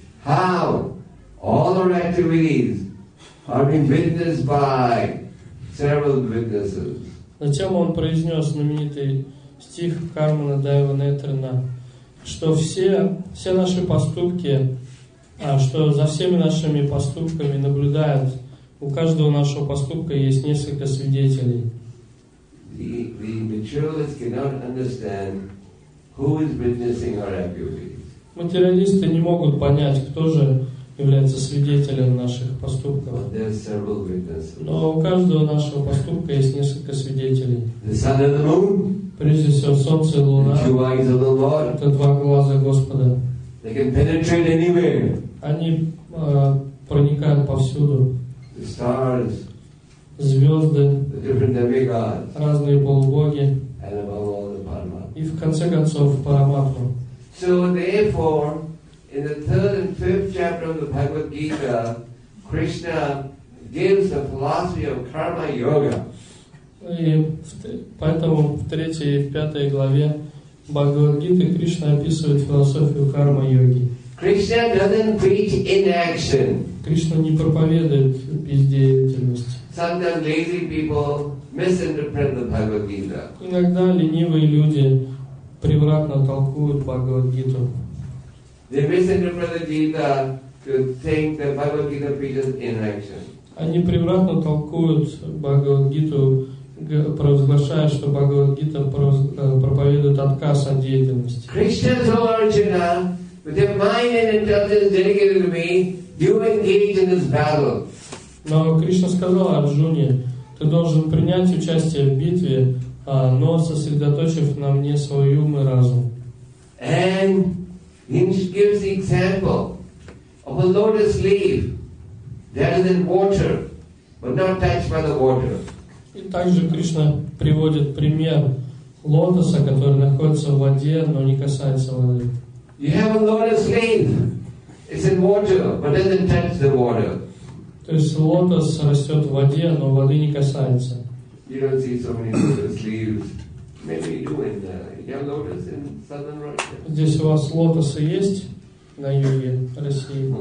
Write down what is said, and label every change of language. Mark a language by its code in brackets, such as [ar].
[en] How all our activities are being witnessed by several witnesses. [ru] Затем он произнес знаменитый стих Карма Дева Нетрина. Что все наши поступки, что за всеми нашими поступками наблюдают, у каждого нашего поступка есть несколько свидетелей. [en] The materialists cannot understand who is witnessing our activities. [ru] Материалисты не могут понять, кто же является свидетелем наших поступков. [en] But there are several witnesses. [ru] Но у каждого нашего поступка есть несколько свидетелей. [en] The sun and the moon. [ru] Прежде всего, солнце и луна — это два глаза Господа. [en] They can penetrate anywhere. [ru] Они проникают повсюду. [en] The stars, [ru] звезды, [en] the different demigods, [ru] разные полубоги [en] and above all, the Padma [ru] и в конце концов Параматму. [en] So therefore, in the third and fifth chapter of the Bhagavad Gita, Krishna gives the philosophy of karma yoga. [ru] И поэтому в третьей и в пятой главе Бхагавад-гиты Кришна описывает философию карма-йоги. [en] Krishna doesn't preach inaction. [ru] Кришна не проповедует бездеятельность. [en] Sometimes lazy people misinterpret the Bhagavad-гита. [ru] Иногда ленивые люди превратно толкуют Бхагавад-гиту. [en] They misinterpret the Gita to think that Bhagavad-гита preaches inaction. [ru] Они превратно толкуют Бхагавад-гиту, провозглашая, что Бхагавад-гита проповедует отказ от деятельности. [en] Krishna told Arjuna, with your mind and intelligence dedicated to me, you engage in this battle. [ru] Но Кришна сказал Арджуне, ты должен принять участие в битве, но сосредоточив на мне свой ум и разум. [en] And he gives the example of a lotus leaf that is in water, but not touched by the water. [ru] И также Кришна приводит пример лотоса, который находится в воде, но не касается воды. [en] You have a lotus leaf. It's in water, but doesn't touch the water. [ru] То есть лотос растет в воде, но воды не касается. [en] You don't see so many lotus leaves. Maybe you do in the lotus in southern Russia. [ru] Здесь у вас лотосы есть на юге России?